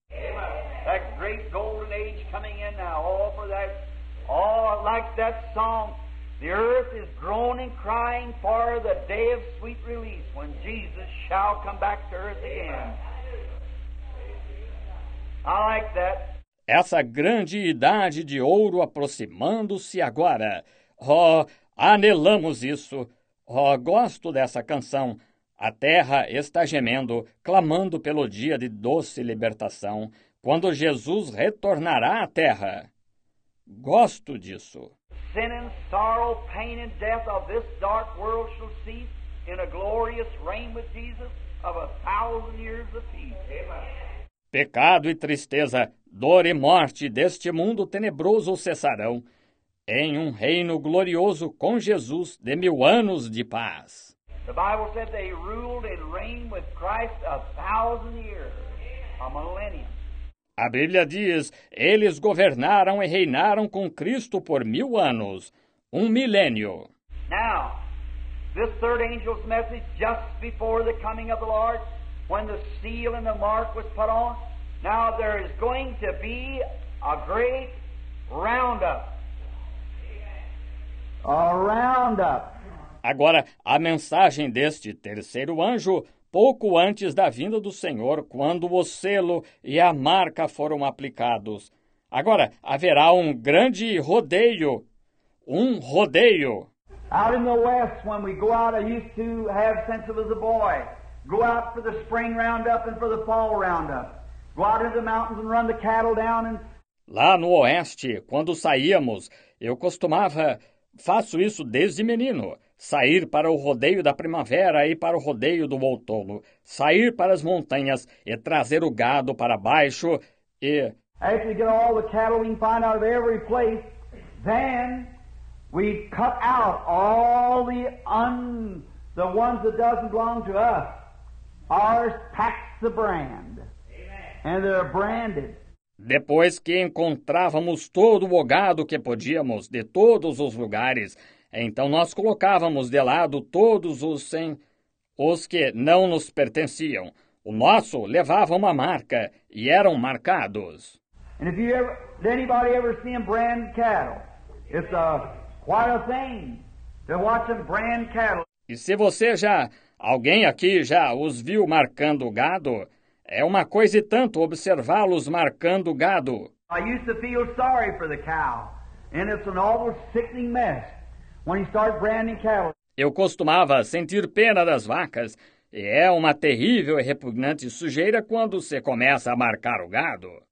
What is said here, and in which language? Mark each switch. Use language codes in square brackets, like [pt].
[en] Amen. That great golden age coming in now, all for that, all like that song. The earth is groaning, crying for the day of sweet release when Jesus shall come back to earth again. I like that. [pt] Essa grande idade de ouro aproximando-se agora. Oh, anelamos isso. Oh, gosto dessa canção. A terra está gemendo, clamando pelo dia de doce libertação, quando Jesus retornará à terra. Gosto disso. [en] Sin and sorrow, pain and death of this dark world shall cease in a glorious reign with Jesus of 1,000 years of peace. Amen. [pt] Pecado e tristeza, dor e morte deste mundo tenebroso cessarão em um reino glorioso com Jesus de 1,000 anos de paz. [en] The Bible said they ruled and reigned with Christ 1,000 years, a millennium. [pt] A Bíblia diz, eles governaram e reinaram com Cristo por 1,000 anos, 1,000 milênio. [en] Now, this third angel's message just before the coming of the Lord, when the seal and the mark was put on, now there is going to be a great roundup. A roundup. [pt] Agora, a mensagem deste terceiro anjo, pouco antes da vinda do Senhor, quando o selo e a marca foram aplicados. Agora, haverá um grande rodeio. Um rodeio. [en] Out in the west, when we go out, I used to have sense of as a boy. Go out for the spring roundup and for the fall roundup. Go out into the mountains and run the cattle down. And... [pt] Lá no oeste, quando saíamos, eu costumava, faço isso desde menino. Sair para o rodeio da primavera e para o rodeio do outono. Sair para as montanhas e trazer o gado para baixo e... [en] As we get all the cattle we can find out of every place, then we cut out all the the ones that doesn't belong to us. Ours packs the brand. Amen. And they're branded. [pt] Depois que encontrávamos todo o gado que podíamos de todos os lugares... Então nós colocávamos de lado todos os sem, os que não nos pertenciam. O nosso levava uma marca e eram marcados. [en] And if you ever, did anybody ever see them brand cattle? It's a quite a thing to watch them brand cattle. [pt] E se você já, alguém aqui já os viu marcando gado, é uma coisa e tanto observá-los marcando gado. [en] I used to feel sorry for the cow, and it's an almost sickening mess. When you start branding cattle. [pt] Eu costumava sentir pena das vacas, e é uma terrível e repugnante sujeira quando se começa a marcar o gado.